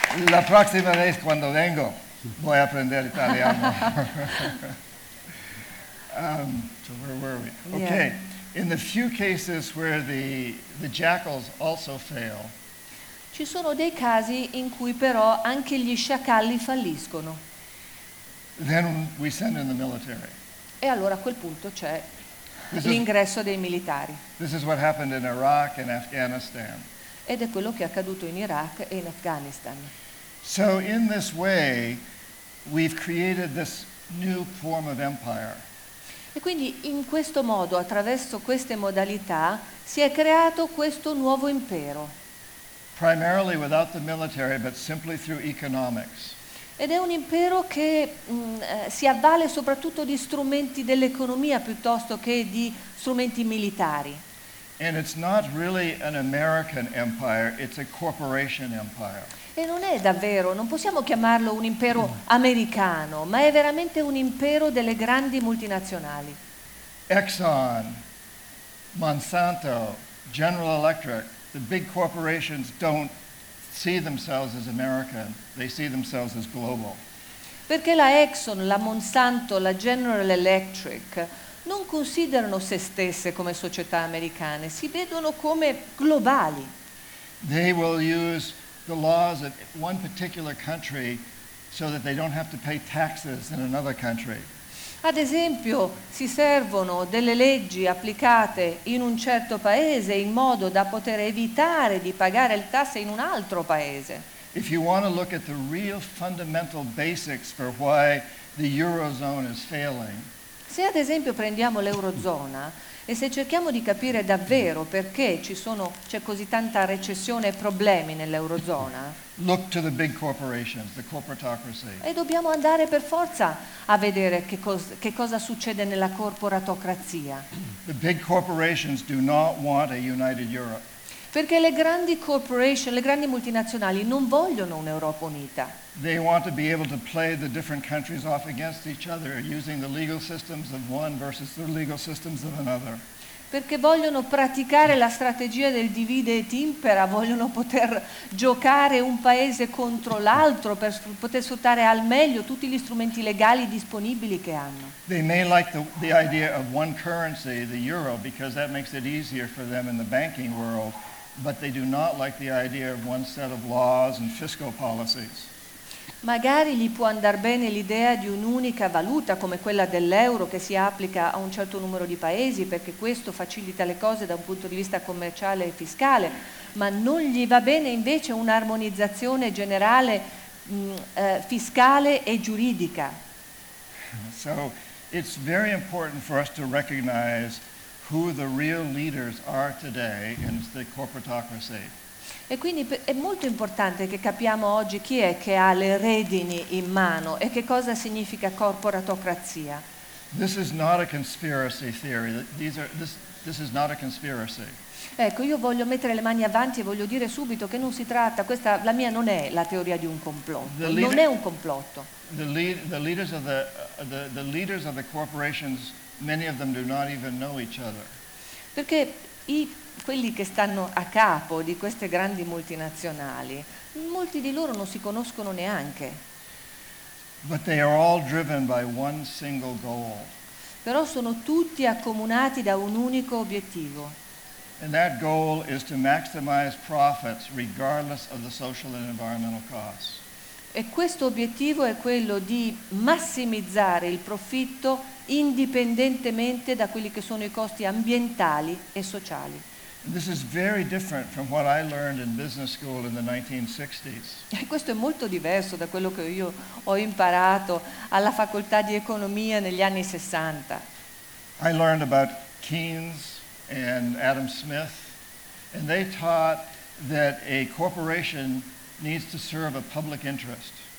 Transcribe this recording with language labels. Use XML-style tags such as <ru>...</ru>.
<es>La próxima vez cuando vengo, voy a aprender italiano.</es> <en>So where were we? Okay, yeah. In the few cases where the jackals also fail.</en> <it>Ci sono dei casi in cui però anche gli sciacalli falliscono.</it> <en>Then we send in the military.</en> <it>E allora a quel punto c'è l'ingresso dei militari.</it> <en>This is what happened in Iraq and Afghanistan.</en> <it>Ed è quello che è accaduto in Iraq e in Afghanistan.</it> <en>So in this way we've created this new form of empire.</en> <it>E quindi in questo modo, attraverso queste modalità, si è creato questo nuovo impero.</it> <en>Primarily without the military, but simply through economics.</en> <it>Ed è un impero che si avvale soprattutto di strumenti dell'economia piuttosto che di strumenti militari.</it> <en>And it's not really an American empire, it's a corporation empire.</en> <it>E non è davvero, non possiamo chiamarlo un impero americano, ma è veramente un impero delle grandi multinazionali.</it> <en>Exxon, Monsanto, General Electric, the big corporations don't see themselves as American, they see themselves as global.</en> <it>Perché la Exxon, la Monsanto, la General Electric non considerano se stesse come società americane, si vedono come globali.</it> <en>They will use the laws of one particular country so that they don't have to pay taxes in another country.</en> <it>Ad esempio, si servono delle leggi applicate in un certo paese in modo da poter evitare di pagare le tasse in un altro paese.</it> <en>If you want to look at the real fundamental basics for why the Eurozone is failing.</en> <it>Se ad esempio prendiamo l'Eurozona e se cerchiamo di capire davvero perché c'è così tanta recessione e problemi nell'Eurozona.</it> <en>Look to the big corporations, the corporatocracy.</en> <it>E dobbiamo andare per forza a vedere che cosa succede nella corporatocrazia.</it> <en>The big corporations do not want a united Europe.</en> <it>Perché le grandi corporation, le grandi multinazionali non vogliono un'Europa unita.</it> <en>They want to be able to play the different countries off against each other using the legal systems of one versus the legal systems of another.</en> <it>Perché vogliono praticare la strategia del divide et impera, vogliono poter giocare un paese contro l'altro per poter sfruttare al meglio tutti gli strumenti legali disponibili che hanno.</it> <en>They may like the idea of one currency, the euro, because that makes it easier for them in the banking world, but they do not like the idea of one set of laws and fiscal policies.</en> <it>Magari gli può andar bene l'idea di un'unica valuta come quella dell'euro che si applica a un certo numero di paesi perché questo facilita le cose da un punto di vista commerciale e fiscale, ma non gli va bene invece un'armonizzazione generale fiscale e giuridica.</it> <en>So it's very important for us to recognize who the real leaders are today and it's the corporatocracy.</en> <it>E quindi è molto importante che capiamo oggi chi è che ha le redini in mano e che cosa significa corporatocrazia.</it> <en>This is not a conspiracy theory. This is not a conspiracy.</en> <it>Ecco, io voglio mettere le mani avanti e voglio dire subito che non si tratta, questa la mia non è la teoria di un complotto, non è un complotto.</it> <en>The leaders of the corporations, many of them do not even know each other.</en> <it>Perché quelli che stanno a capo di queste grandi multinazionali, molti di loro non si conoscono neanche.</it> <en>But they are all driven by one single goal.</en> <it>Però sono tutti accomunati da un unico obiettivo.</it> <en>And that goal is to maximize profits regardless of the social and environmental costs.</en> <it>E questo obiettivo è quello di massimizzare il profitto indipendentemente da quelli che sono i costi ambientali e sociali.</it> <en>This is very different from what I learned in business school in the 1960s.</en> <it>E questo è molto diverso da quello che io ho imparato alla facoltà di economia negli anni 60.</it> <en>I learned about Keynes and Adam Smith, and they taught that a corporation needs to serve a public interest.</en>